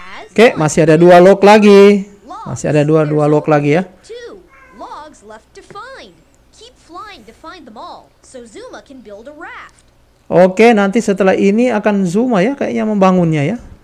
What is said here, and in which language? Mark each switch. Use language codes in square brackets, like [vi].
[id] Oke, masih ada dua log lagi. Masih ada dua log lagi ya. [en] Two logs left to find. Keep flying to find them all, so Zuma can build a raft. [id] Oke, nanti setelah ini akan Zuma ya kayaknya membangunnya ya.